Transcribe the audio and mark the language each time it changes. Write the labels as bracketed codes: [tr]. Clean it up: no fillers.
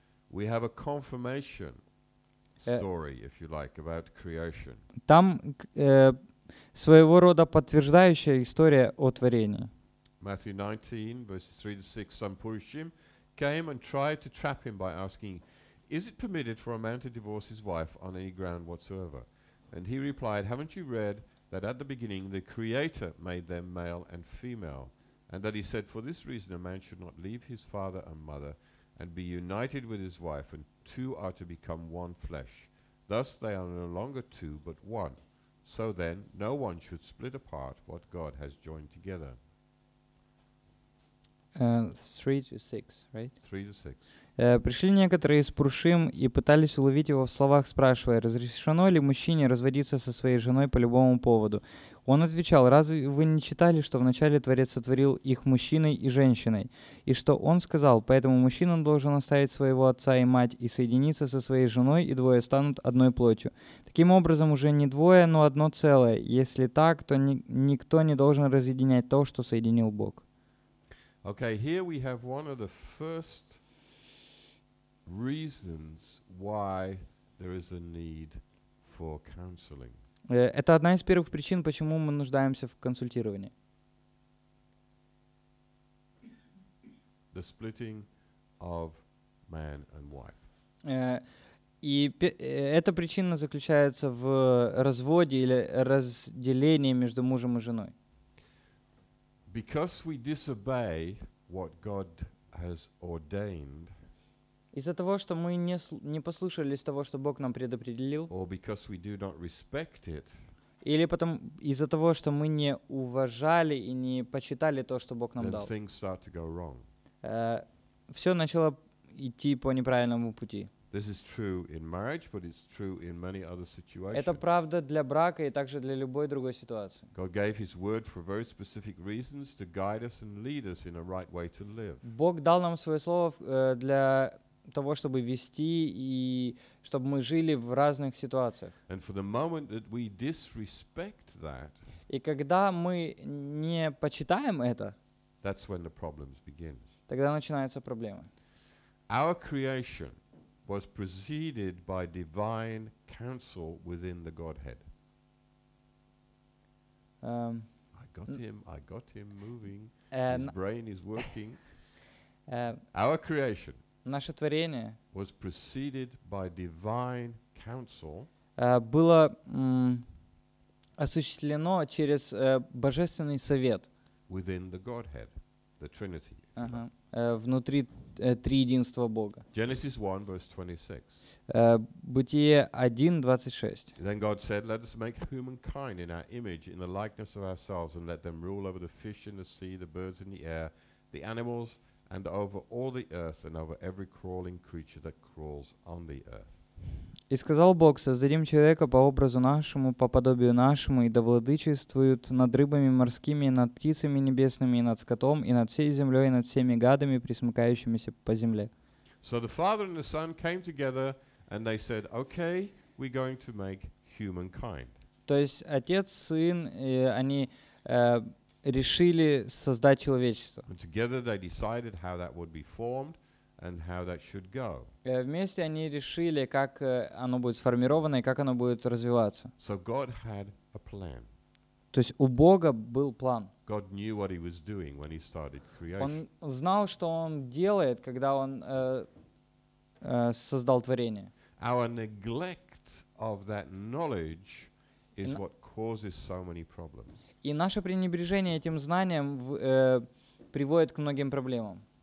[en] We have a confirmation story, if you like, about creation. [ru] Там своего рода подтверждающая история о творении. [en] Matthew 19, verses 3 to 6. Some Purushim came and tried to trap him by asking, "Is it permitted for a man to divorce his wife on any ground whatsoever?" And he replied, "Haven't you read that at the beginning the Creator made them male and female, and that he said, for this reason a man should not leave his father and mother and be united with his wife, and two are to become one flesh. Thus they are no longer two, but one. So then, no one should split apart what God has joined together." 3-6, right? 3-6. [ru] Пришли некоторые из Пуршим и пытались уловить его в словах, спрашивая, разрешено ли мужчине разводиться со своей женой по любому поводу. Он отвечал, разве вы не читали, что вначале Творец сотворил их мужчиной и женщиной? И что он сказал, поэтому мужчина должен оставить своего отца и мать и соединиться со своей женой, и двое станут одной плотью. Таким образом, уже не двое, но одно целое. Если так, то никто не должен разъединять то, что соединил Бог. [en] Okay, here we have one of the first reasons why there is a need for counseling. [ru] Это одна из первых причин, почему мы нуждаемся в консультировании. [en] The splitting of man and wife. [ru] Эта причина заключается в разводе или разделении между мужем и женой. [en] Because we disobey what God has ordained. [ru] Из-за того, что мы не послушались того, что Бог нам предопределил. [en] Or because we do not respect it. [ru] Или потом из-за того, что мы не уважали и не почитали то, что Бог нам [en] then [ru] дал. [en] Things start to go wrong. [ru] Все начало идти по неправильному пути. [en] This is true in marriage, but it's true in many other situations. [ru] Это правда для брака и также для любой другой ситуации. [en] God gave His Word for very specific reasons to guide us and lead us in a right way to live. [ru] Бог дал нам свое слово для того, чтобы вести и чтобы мы жили в разных ситуациях. [en] And for the moment that we disrespect that, [ru] и когда мы не почитаем это, [en] that's when the problems begin. [ru] Тогда начинаются проблемы. [en] Our creation. was preceded by divine counsel within the Godhead. I got him moving. His brain is working. Our creation. [ru] Наше творение. [en] Was preceded by divine counsel. [ru] Было осуществлено через божественный совет. [en] Within the Godhead, the Trinity. [ru] Внутри триединства Бога. [en] Genesis 1, verse 26. [ru] Бытие 1, 26. [en] Then God said, let us make humankind in our image, in the likeness of ourselves, and let them rule over the fish in the sea, the birds in the air, the animals, and over all the earth, and over every crawling creature that crawls on the earth. [ru] И сказал Бог, создадим человека по образу нашему, по подобию нашему, и да владычествуют над рыбами морскими, и над птицами небесными, и над скотом, и над всей землей, и над всеми гадами, пресмыкающимися по земле. [en] So the Father and the Son came together, and they said, okay, we're going to make humankind. [ru] То есть Отец, Сын, они решили создать человечество. [en] And together they decided how that would be formed, and how that should go. [ru] Вместе они решили, как оно будет сформировано и как оно будет развиваться. [en] So God had a plan. [ru] То есть у Бога был план. [en] God knew what he was doing when he started creation. [ru] Он знал, что он делает, когда он создал творение. [en] Our neglect of that knowledge is what causes so many problems. [ru] И наше пренебрежение этим знанием приводит к многим проблемам.